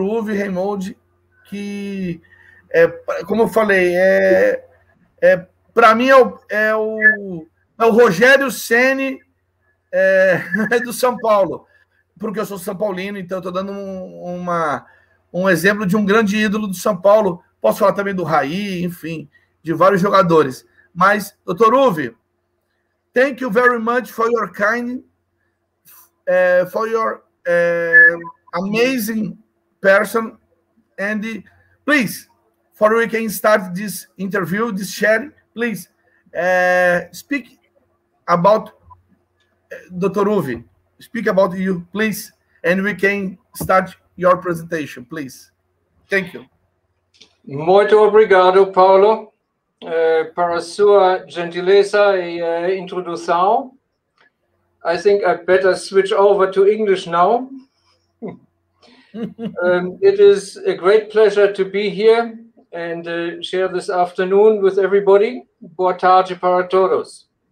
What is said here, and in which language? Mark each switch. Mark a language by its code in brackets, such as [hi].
[pt] Uwe Reimold, que, como eu falei, para mim é o Rogério Ceni do São Paulo, porque eu sou São Paulino, então estou dando um exemplo de um grande ídolo do São Paulo. Posso falar também do Raí, enfim, de vários jogadores. Mas, doutor [en] Uwe, thank you very much for your kind, for your amazing person, and please, for we can start this interview, this sharing, please speak about Dr. Uwe. Speak about you, please, and we can start your presentation, please. Thank you. [pt] Muito obrigado, Paulo, para sua gentileza e introdução. [en] I think I better switch over to English now. it is a great pleasure to be here and share this afternoon with everybody. [pt] Boa tarde para todos.